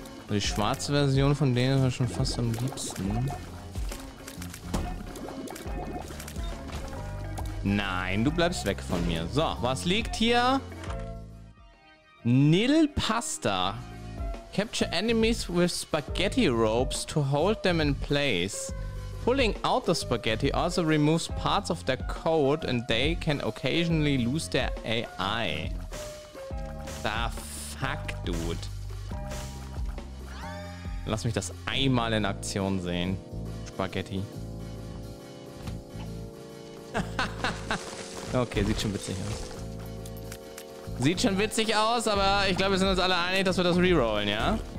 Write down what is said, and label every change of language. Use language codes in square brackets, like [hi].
[de] Die schwarze Version von denen ist schon fast am liebsten. Nein, du bleibst weg von mir. So, was liegt hier? Nil Pasta. [en] Capture enemies with spaghetti ropes to hold them in place. Pulling out the spaghetti also removes parts of their code and they can occasionally lose their AI. The fuck, dude. [de] Lass mich das einmal in Aktion sehen. Spaghetti. Okay, sieht schon witzig aus. Sieht schon witzig aus, aber ich glaube, wir sind uns alle einig, dass wir das rerollen, ja?